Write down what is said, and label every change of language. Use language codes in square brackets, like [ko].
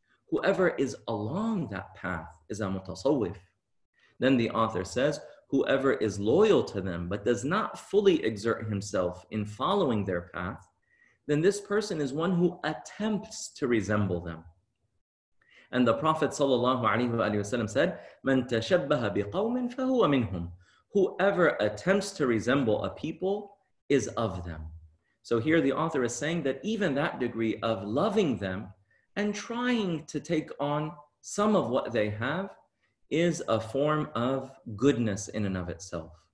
[en] Whoever is along that path is a mutasawwif. Then the author says, whoever is loyal to them but does not fully exert himself in following their path, then this person is one who attempts to resemble them. And the Prophet ﷺ said, [ar] مَنْ تَشَبَّهَ بِقَوْمٍ فَهُوَ مِنْهُمْ. [en] Whoever attempts to resemble a people is of them. So here the author is saying that even that degree of loving them and trying to take on some of what they have is a form of goodness in and of itself.